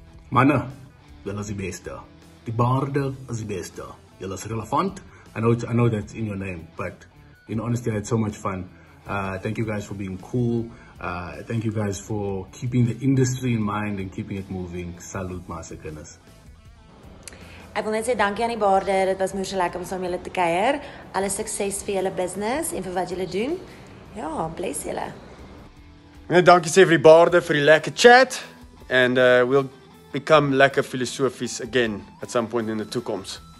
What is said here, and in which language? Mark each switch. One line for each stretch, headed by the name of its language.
Afrikaans: Manne, julle is die beste. Die baarde is die beste. Julle is relevant.
English: I know that's in your name, but in honesty, I had so much fun. Thank you guys for being cool. Thank you guys for keeping the industry in mind and keeping it moving. Salute, Master Kennis.
Afrikaans: Ek wil net sê dankie aan die baarde. Dit was moer so lekker om saam julle te kuier. Alle sukses vir julle business en vir wat julle doen. Ja, bless julle. Nee, dankie sê vir die baarde vir die lekker chat.
English: And we'll become
Afrikaans: lekker filosofies
English: again at some point in the
Afrikaans: toekoms.